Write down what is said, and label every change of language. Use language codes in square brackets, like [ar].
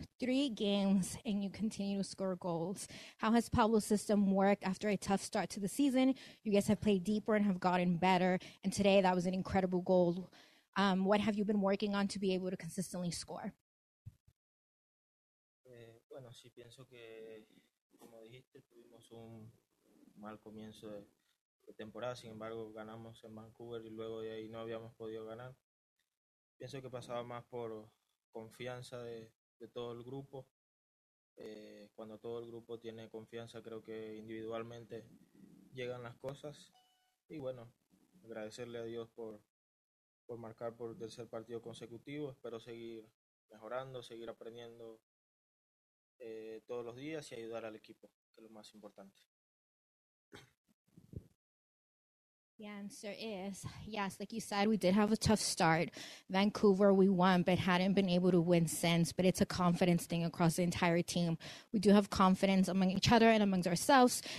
[en] Three games and you continue to score goals. How has Pablo's system worked after a tough start to the season? You guys have played deeper and have gotten better, and today that was an incredible goal. What have you been working on to be able to consistently score? [es] Bueno, sí, pienso que, como dijiste, tuvimos un mal comienzo de temporada. Sin embargo, ganamos en Vancouver y luego de ahí no habíamos podido ganar. Pienso que pasaba más por confianza de todo el grupo. Cuando todo el grupo tiene confianza, creo que individualmente llegan las cosas. Y bueno, agradecerle a Dios por marcar por tercer partido consecutivo. Espero seguir mejorando, seguir aprendiendo todos los días y ayudar al equipo, que es lo más importante. [en] The answer is, yes, like you said, we did have a tough start. Vancouver, we won, but hadn't been able to win since. But it's a confidence thing across the entire team. We do have confidence among each other and amongst ourselves.